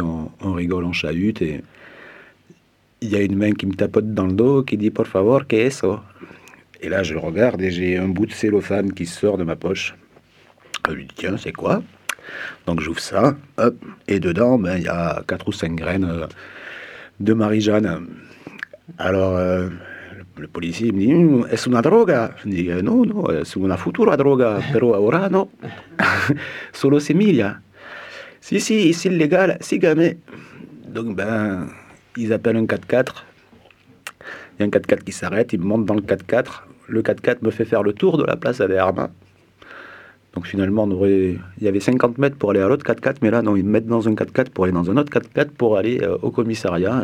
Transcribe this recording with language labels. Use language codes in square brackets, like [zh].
[fr] On rigole en chahute et il y a une main qui me tapote dans le dos qui dit « [es] Por favor, ¿qué es eso ?» [fr] Et là, je regarde et j'ai un bout de cellophane qui sort de ma poche. Je lui dis « Tiens, c'est quoi ?» Donc j'ouvre ça, hop, et dedans, y a 4 ou 5 graines de Marie-Jeanne. Alors, le policier me dit « [es] Es una droga ?» [fr] Je dis « Non, non, [es] es una futura droga, pero ahora no. Solo semilla. Si, si, es illégal, [fr] si jamais. » Donc, ils appellent un 4x4. Il y a un 4x4 qui s'arrête, ils montent dans le 4x4. Le 4x4 me fait faire le tour de la place à Derma. Donc finalement, il y avait 50 mètres pour aller à l'autre 4x4, mais là, non, ils me mettent dans un 4x4 pour aller dans un autre 4x4 pour aller au commissariat.